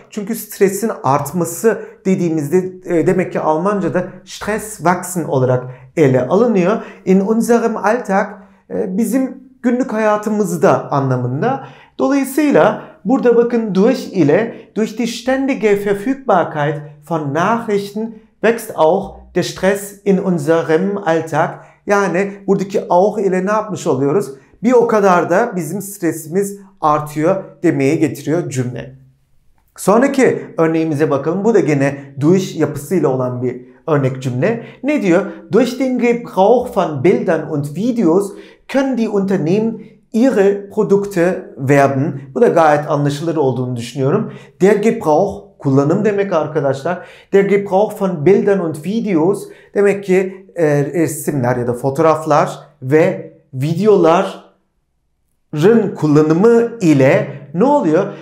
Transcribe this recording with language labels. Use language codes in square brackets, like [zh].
[tr] Çünkü stresin artması dediğimizde demek ki Almanca'da stres wachsen olarak ele alınıyor. [de] In unserem Alltag, [tr] bizim günlük hayatımızda anlamında. Dolayısıyla burada bakın [de] durch ile durch die ständige Verfügbarkeit von Nachrichten wächst auch der Stress in unserem Alltag. [tr] Yani buradaki auch ile ne yapmış oluyoruz? Bir o kadar da bizim stresimiz artıyor demeye getiriyor cümle. Sonraki örneğimize bakalım. Bu da gene durch yapısıyla olan bir örnek cümle. Ne diyor? [de] Durch den Gebrauch von Bildern und Videos können die Unternehmen ihre Produkte werben. [tr] Bu da gayet anlaşılır olduğunu düşünüyorum. Der Gebrauch, kullanım demek arkadaşlar. [de] Der Gebrauch von Bildern und Videos [tr] demek ki resimler ya da fotoğraflar ve videoların kullanımı ile ne oluyor?